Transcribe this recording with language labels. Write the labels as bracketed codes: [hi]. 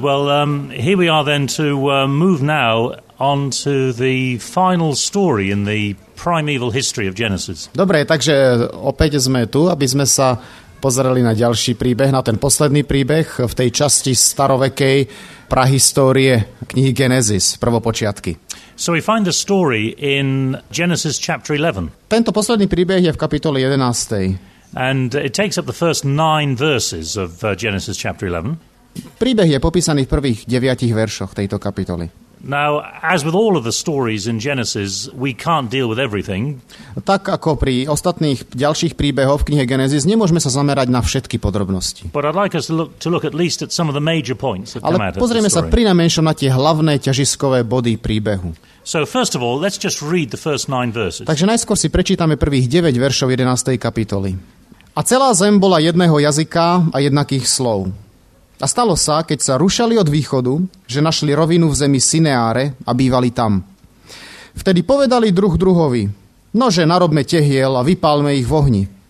[en] Well, here we are then to move now on to the final story in the primeval history of Genesis. [sk] Dobre, takže opäť sme tu, aby sme sa pozerali na ďalší príbeh, na ten posledný príbeh v tej časti starovekej prahistórie knihy Genesis, prvopočiatky. [en] So we find the story in Genesis chapter 11. [sk] Tento posledný príbeh je v kapitole 11. [en] And it takes up the first 9 verses of Genesis chapter 11. [sk] Príbeh je popísaný v prvých 9 veršoch tejto kapitoly. [en] Now, as with all of the stories in Genesis, we can't deal with everything. [sk] Tak ako pri ostatných ďalších príbehoch v knihe Genesis, nemôžeme sa zamerať na všetky podrobnosti. [en] But I'd like us to look at least at some of the major points that come out of the story. [sk] Pozrieme sa prinajmenšom na tie hlavné ťažiskové body príbehu. [en] So first of all, let's just read the first 9 verses. [sk] Takže najskôr si prečítame prvých 9 veršov 11. kapitoly. A celá zem bola jedného jazyka a jednakých slov. A stalo sa, keď sa rušali od východu, že našli rovinu v zemi Sineáre a bývali tam. Vtedy povedali druh druhovi, nože, narobme tehiel a vypálme ich v ohni.